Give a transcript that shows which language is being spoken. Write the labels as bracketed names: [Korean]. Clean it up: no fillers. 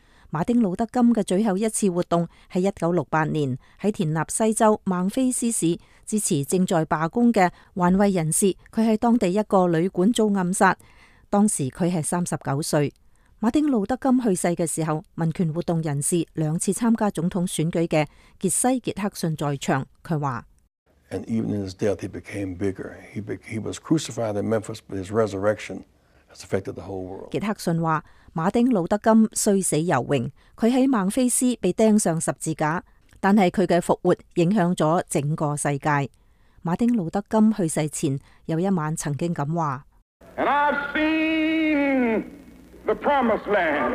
[Chinese] 马丁路德金的最后一次活动是1968年在田纳西州孟菲斯市支持正在罢工的环卫人士，他在当地一个旅馆遭暗杀，当时他是39岁。马丁路德金去世的时候，民权活动人士两次参加总统选举的杰西·杰克逊在场，他说 [English] And even in his death, he became bigger. He was crucified in Memphis, but his resurrection has affected the whole world. [Chinese] 杰克逊说，马丁路德金虽死犹荣，他在孟菲斯被钉上十字架，但是他的复活影响了整个世界。马丁路德金去世前有一晚曾经这样说 [English] And I've seen the promised land.